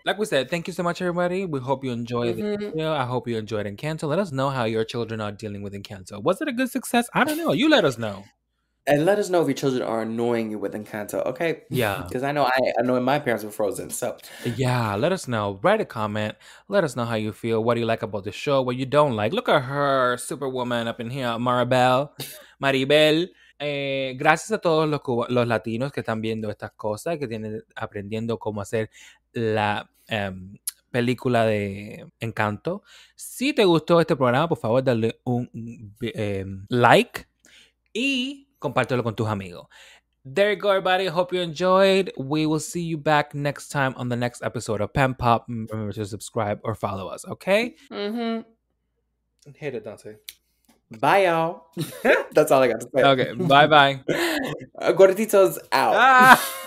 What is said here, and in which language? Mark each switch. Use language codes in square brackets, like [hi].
[en] Like we said, thank you so much, everybody. We hope you enjoyed the video. I hope you enjoyed Encanto. Let us know how your children are dealing with Encanto. Was it a good success? I don't know. You let us know. And let us know if your children are annoying you with Encanto, okay? Yeah. Because I know I annoy my parents with Frozen, so. Yeah, let us know. Write a comment. Let us know how you feel. What do you like about the show? What you don't like? Look at her, superwoman up in here, Maribel. Maribel. [es] Gracias a todos los latinos que están viendo estas cosas, que tienen aprendiendo cómo hacer la película de Encanto. Si te gustó este programa, por favor, dale un like y compártelo con tus amigos. [en] There you go, everybody. Hope you enjoyed. We will see you back next time on the next episode of Pam Pop. Remember to subscribe or follow us, okay? Mm-hmm. Hit it, Dante. Bye, y'all. That's all I got to say. Okay, bye-bye. Gorditos out.